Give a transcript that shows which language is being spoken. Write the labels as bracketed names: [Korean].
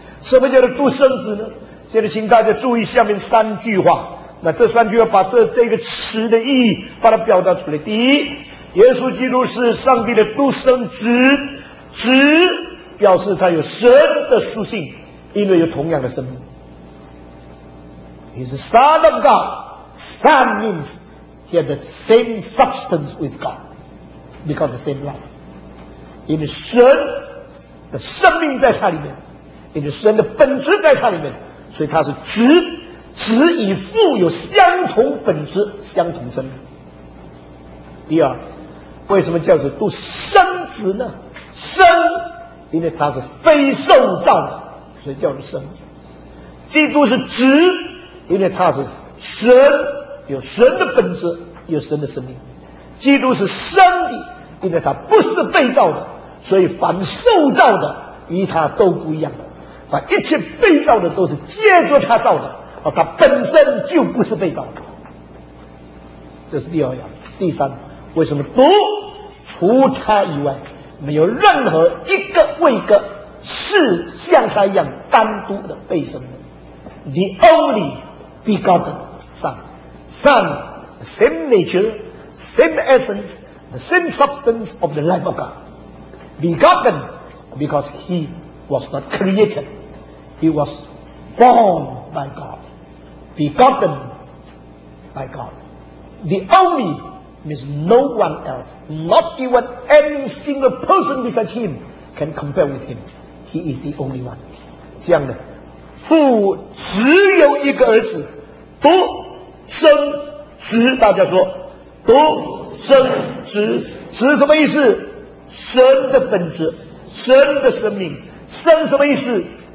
[Chinese] 什么叫做独生子呢？现在请大家注意下面三句话，那这三句话把这个词的意义把它表达出来。第一，耶稣基督是上帝的独生子，子表示他有神的属性，因为有同样的生命。 [English] He is the Son of God. Son means he has the same substance with God, because the same life. [Chinese] 因为神的生命在他里面，因为神的本质在他里面，所以他是子。子与父有相同本质，相同生命。第二，为什么叫做独生子呢？生，因为他是非受造的，所以叫做生。基督是子，因为他是神，有神的本质，有神的生命。基督是生的，因为他不是被造的，所以凡受造的与他都不一样的。凡一切被造的都是借着他造的，而他本身就不是被造的。这是第二样。第三，为什么独除他以外没有任何一个位格是像他一样单独的被生的？ [English] The only begotten Son， Son the same nature same essence the same substance of the life of God， begotten because he was not created， he was born by God， begotten by God， the only means no one else, not even any single person besides him can compare with him. He is the only one. [Chinese] 这样的，父只有一个儿子，独生子。大家说，独生子，子什么意思？神的本质，神的生命。生什么意思？